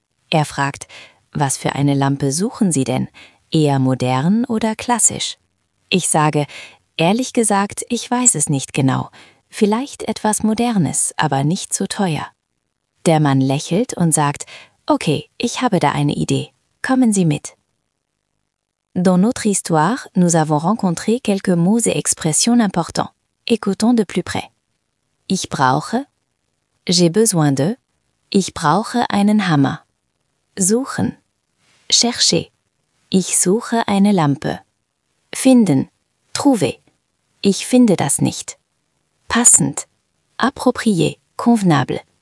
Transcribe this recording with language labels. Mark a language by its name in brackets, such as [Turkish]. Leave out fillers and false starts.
[German] Er fragt: Was für eine Lampe suchen Sie denn? Eher modern oder klassisch? Ich sage: Ehrlich gesagt, ich weiß es nicht genau. Vielleicht etwas Modernes, aber nicht zu teuer. Der Mann lächelt und sagt: Okay, ich habe da eine Idee. Kommen Sie mit. [French] Dans notre histoire, nous avons rencontré quelques mots et expressions importants. Écoutons de plus près. [German] Ich brauche. [French] J'ai besoin de. [German] Ich brauche einen Hammer. Suchen. Chercher. Ich suche eine Lampe. Finden. Trouver. Ich finde das nicht. Passend. Approprié. Convenable.